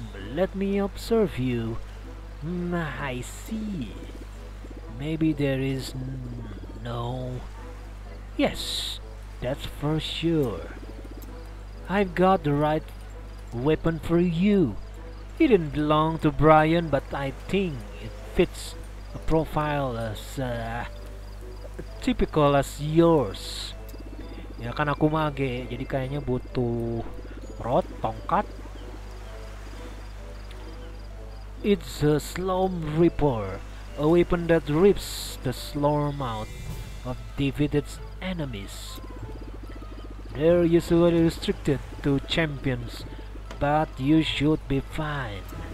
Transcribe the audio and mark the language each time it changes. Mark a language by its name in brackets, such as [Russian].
[English] Let me observe you. I see. Maybe there is... no... Yes, that's for sure. I've got the right weapon for you. It didn't belong to Brian, but I think it fits a profile as... typical as yours. [Indonesian] Ya kan aku mage, jadi kayaknya butuh rod, tongkat. [English] It's a Slorm Reaper, a weapon that rips the slorm out of defeated enemies. They're usually restricted to champions, but you should be fine.